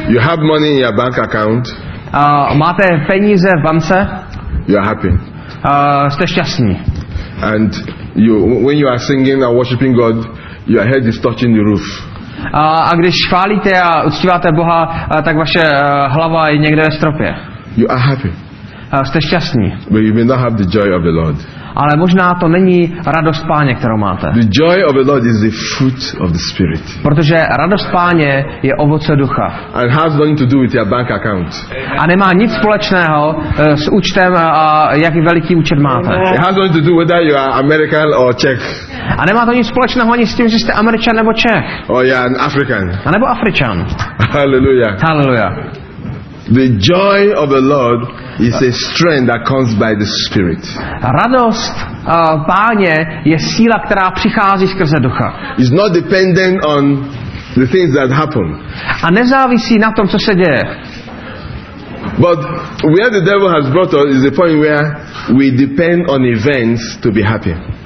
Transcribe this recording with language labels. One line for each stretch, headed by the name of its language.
English: You have money in your bank account.
Czech: Máte peníze v bance.
English: You are happy.
Czech: Jste šťastní.
English: And you, when you are singing and worshiping God, your head is touching the roof.
Czech: A když chválíte a uctíváte Boha, tak vaše hlava je někde ve stropě.
English: You are happy.
Czech: Jste šťastní.
English: But you may not have the joy of the Lord.
Czech: Ale možná to není radost Páně, kterou máte.
English: The joy of the Lord is the fruit of the Spirit.
Czech: Protože radost Páně je ovoce ducha.
English: And has nothing to do with your bank account.
Czech: A nemá nic společného s účtem a jak veliký účet máte.
English: It has nothing to do whether you are American or Czech.
Czech: A nemá to nic společného ani s tím, že jste Američan nebo Čech.
English: Oh yeah, an African.
Czech: A nebo Afričan.
English: Hallelujah.
Czech: Hallelujah.
English: The joy of the Lord is a strength that comes by the Spirit.
Czech: Radost Páně je síla, která přichází skrze ducha.
English: It's not dependent on the things that happen.
Czech: A nezávisí na tom, co se děje.
English: But where the devil has brought us is the point where we depend on events to be happy.